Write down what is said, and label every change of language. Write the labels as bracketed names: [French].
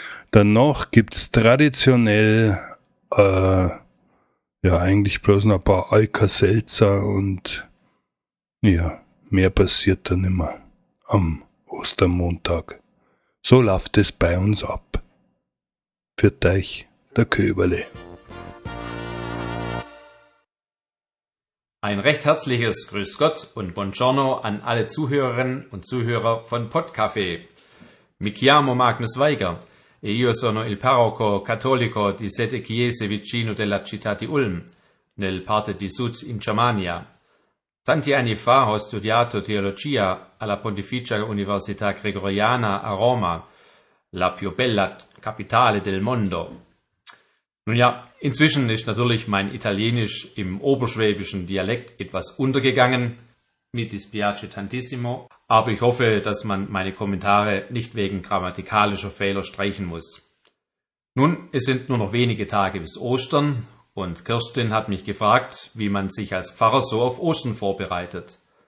[German] Danach gibt's traditionell eigentlich bloß noch ein paar Alka-Seltzer und ja, mehr passiert dann immer am Ostermontag. So läuft es bei uns ab. Für dich, der Köberle. Ein recht herzliches Grüß Gott und Buongiorno an alle Zuhörerinnen und Zuhörer von Podcafé. [Italian] Mi chiamo Magnus Weiger e io sono il parroco cattolico di sette chiese vicino della città di Ulm, nel parte di sud in Germania. Tanti anni fa ho studiato teologia alla Pontificia Università Gregoriana a Roma, la più bella capitale del mondo. [German] Nun ja, inzwischen ist natürlich mein Italienisch im oberschwäbischen Dialekt etwas untergegangen, [Italian] mi dispiace tantissimo, [German] aber ich hoffe, dass man meine Kommentare nicht wegen grammatikalischer Fehler streichen muss. Nun, es sind nur noch wenige Tage bis Ostern und Kirstin hat mich gefragt, wie man sich als Pfarrer so auf Ostern vorbereitet.